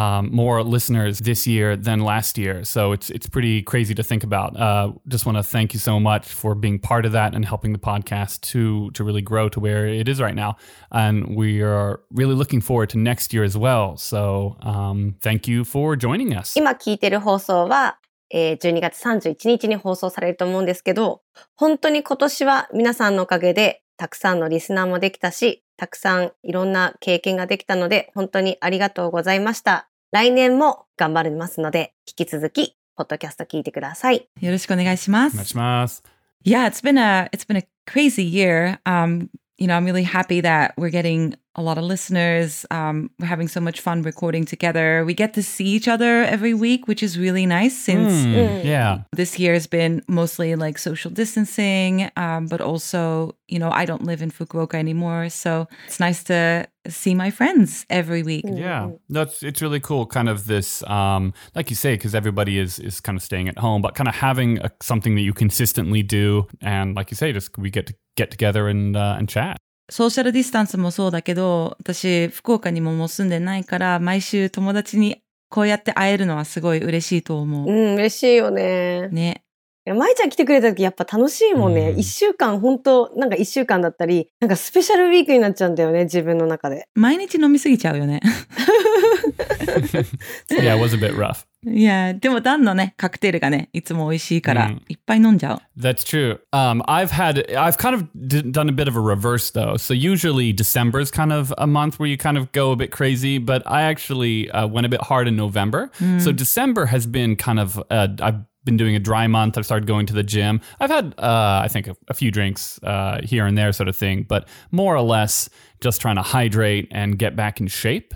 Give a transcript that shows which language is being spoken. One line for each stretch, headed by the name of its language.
English: More listeners this year than last year. So it's pretty crazy to think about. Just want to thank you so much for being part of that and helping the podcast to really grow to where it is right now. And we are really looking forward to next year as well. So thank you for joining us.
Japanese: 今聞いてる放送は、12月31日に放送されると思うんですけど、本当に今年は皆さんのおかげでたくさんのリスナーもできたし、たくさんいろんな経験ができたので本当にありがとうございました。来年も頑張りますので引き続きポッドキャスト聞いてください。よろしくお願いします。お願いします。
English: Yeah, it's been a crazy year. You know, I'm really happy that we're getting a lot of listeners. We're having so much fun recording together. We get to see each other every week, which is really nice since this year has been mostly like social distancing. But also, you know, I don't live in Fukuoka anymore. So it's nice to see my friends every week. Yeah, it's really cool. Kind of this, like you say, because everybody is kind of staying at home, but kind of having something that you consistently do. And like you say, just we get to get together and chat.
Japanese: ソーシャルディスタンスもそうだけど、私福岡にももう住んでないから、毎週友達にこうやって会えるのはすごい嬉しいと思う。うん、嬉しいよね。ね。まいちゃん来てくれた時やっぱ楽しいもんね。一週間本当なんか一週間だったり、なんかスペシャルウィークになっちゃうんだよね、自分の中で。毎日飲みすぎちゃうよね。
English: Yeah, it was a bit rough.
Japanese: Yeah, でもダンのね、カクテルがね、いつも美味しいから、いっぱい飲んじゃう。
English: That's true. I've kind of done a bit of a reverse though. So usually December is kind of a month where you kind of go a bit crazy, but I actually went a bit hard in November. So December has been kind of, I've been doing a dry month. I've started going to the gym. I've had, I think, a few drinks here and there sort of thing, but more or less just trying to hydrate and get back in shape.